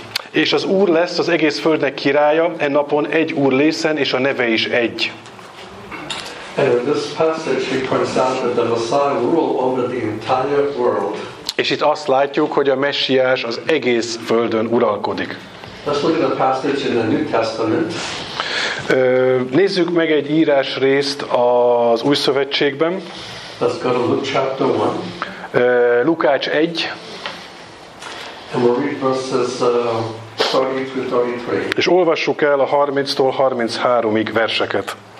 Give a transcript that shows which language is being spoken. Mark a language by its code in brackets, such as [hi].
[hu] És az Úr lesz az egész földnek királya, e napon egy Úr lészen, és a neve is egy. [en] This passage he points out that the Messiah rule over the entire world. [hu] És itt azt látjuk, hogy a Messiás az egész földön uralkodik. [en] Let's look at a passage in the New Testament. [hu] Nézzük meg egy írás részt az Új Szövetségben. [en] Let's go to Luke chapter 1. [hu] Lukács 1. [en] And we'll read verses 30-33. [hu] És olvassuk el a 30-tól 33-ig verseket.